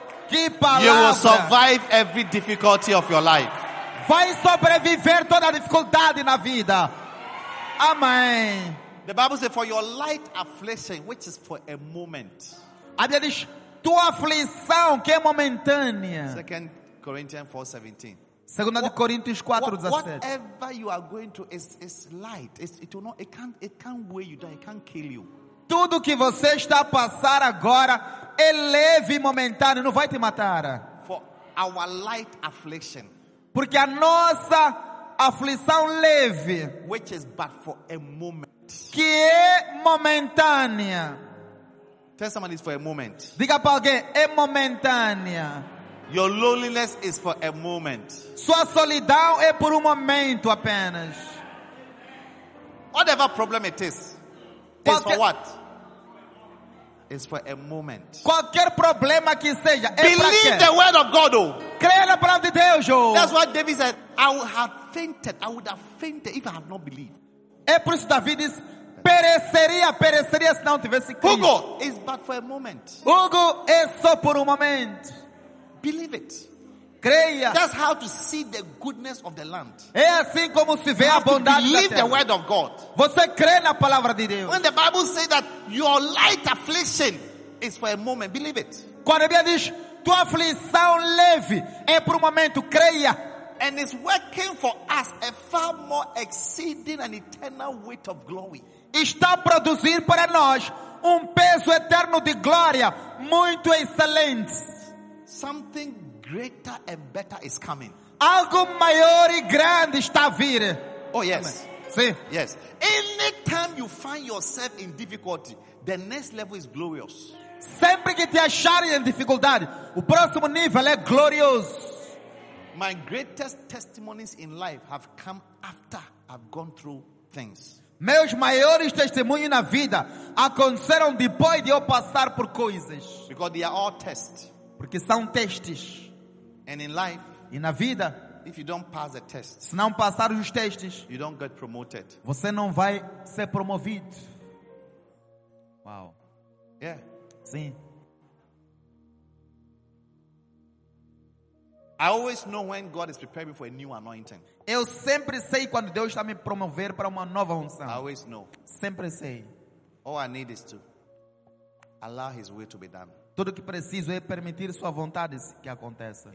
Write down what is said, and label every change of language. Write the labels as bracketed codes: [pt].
[en] You will survive every difficulty of your life. [pt] Vai sobreviver toda a dificuldade na vida. Amém. [en] The Bible says, for your light affliction, which is for a moment. [pt] A Bíblia diz, tua aflição que é momentânea. [en] 2 Corinthians 4:17. [pt] Segunda de Coríntios 4:17. [en] Whatever you are going through is light. It will not. It can't weigh you down. It can't kill you. [pt] Tudo que você está a passar agora é leve e momentâneo, não vai te matar. [en] For our light affliction, [pt] porque a nossa aflição leve, [en] which is but for a moment, [pt] que é momentânea. [en] Tell somebody it's for a moment. [pt] Diga para alguém, é momentânea. [en] Your loneliness is for a moment. [pt] Sua solidão é por momento apenas. [en] Whatever problem it is. It's for what? It's for a moment. [pt] Qualquer problema que seja, [en] believe the word of God, oh. [pt] Creia na palavra de Deus, oh. [en] That's what David said. I would have fainted. I would have fainted if I had not believed. [pt] É por isso David diz, pereceria se não tivesse crido. [en] Hugo, it's but for a moment. [pt] Hugo, é só por momento. [en] Believe it. [pt] Creia. [en] That's how to see the goodness of the land. [pt] É assim como se vê a bondade da terra. [en] Believe the word of God. [pt] Você crê na palavra de Deus. [en] When the Bible says that your light affliction is for a moment, believe it. [pt] Quando a Bíblia diz, tua aflição leve é por momento, creia. [en] And it's working for us a far more exceeding and eternal weight of glory. [pt] Está a produzir para nós peso eterno de glória, muito excelente. [en] something greater and better is coming. [pt] Algo maior e grande está a vir. [en] Oh yes. [pt] Sim. [en] Yes. Anytime you find yourself in difficulty, the next level is glorious. [pt] Sempre que te acharem em dificuldade, o próximo nível é glorioso. [en] My greatest testimonies in life have come after I've gone through things. [pt] Meus maiores testemunhos na vida aconteceram depois de eu passar por coisas. [en] Because they are all tests. [pt] Porque são testes. [en] And in life, [pt] e na vida, [en] if you don't pass the test, [pt] se não passar os testes, [en] you don't get promoted. [pt] Você não vai ser promovido. [en] Wow. Yeah. [pt] Sim. [en] I always know when God is preparing me for a new anointing. [pt] Eu sempre sei quando Deus está me promover para uma nova unção. [en] I always know. [pt] Sempre sei. [en] All I need is to allow His will to be done. [pt] Tudo que preciso é permitir Sua vontade que aconteça.